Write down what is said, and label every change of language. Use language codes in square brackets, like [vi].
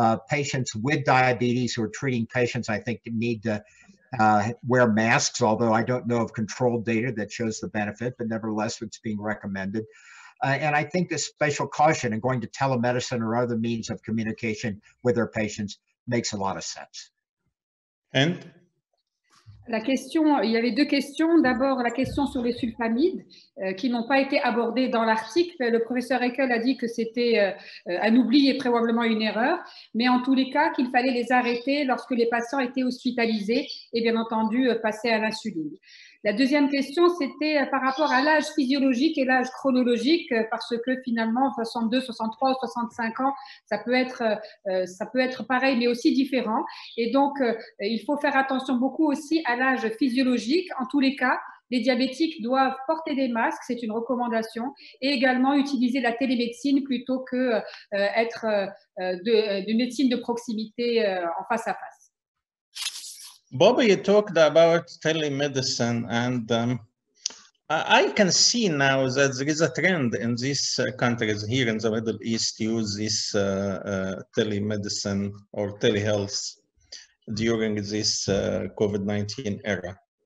[en] Patients with diabetes who are treating patients, I think, need to wear masks, although I don't know of controlled data that shows the benefit, but nevertheless, it's being recommended. And I think this special caution and going to telemedicine or other means of communication with their patients makes a lot of sense. And? [fr] Il y avait deux questions. D'abord, la question sur les sulfamides qui n'ont pas été abordées dans l'article. Le professeur Eckel a dit que c'était un oubli et probablement une erreur, mais en tous les cas, qu'il fallait les arrêter lorsque les patients étaient hospitalisés et bien entendu passer à l'insuline. La deuxième question, c'était par rapport à l'âge physiologique et l'âge chronologique, parce que finalement, 62, 63 ou 65 ans, ça peut être pareil, mais aussi différent. Et donc, il faut faire attention beaucoup aussi à l'âge physiologique. En tous les cas, les diabétiques doivent porter des masques, c'est une recommandation, et également utiliser la télémédecine plutôt que être de médecine de proximité en face à face. [en] Bobby, you talked about telemedicine, and I can see now that there is a trend in these countries here in the Middle East to use this telemedicine or telehealth during this COVID-19 era.